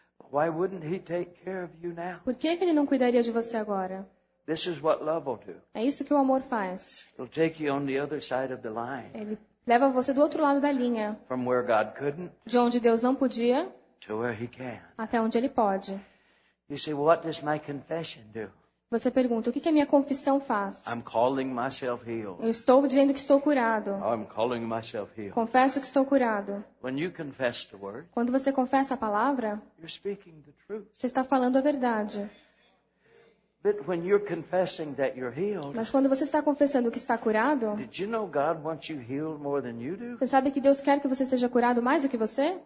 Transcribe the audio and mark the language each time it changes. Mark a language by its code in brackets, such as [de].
[en] Why wouldn't he take care of you now? [pt] Por que ele não cuidaria de você agora? [en] This is what love will do. [pt] É isso que o amor faz. [en] It'll take you on the other side of the line. [pt] Ele leva você do outro lado da linha. [en] From where God couldn't. [pt] De onde Deus não podia. [en] To where he can. [pt] Até onde ele pode. [en] You say, what does my confession do? [pt] Você pergunta, o que a minha confissão faz? [en] I'm calling myself healed. [pt] Eu estou dizendo que estou curado. [en] I'm calling myself healed. [pt] Confesso que estou curado. [en] When you confess the word, [pt] quando você confessa a palavra, [en] you're speaking the truth. [pt] Você está falando a verdade. [en] But when you're confessing that you're healed, [pt] mas quando você está confessando que está curado, [en] did you know God wants you healed more than you do? [pt] Você sabe que Deus quer que você esteja curado mais do que você?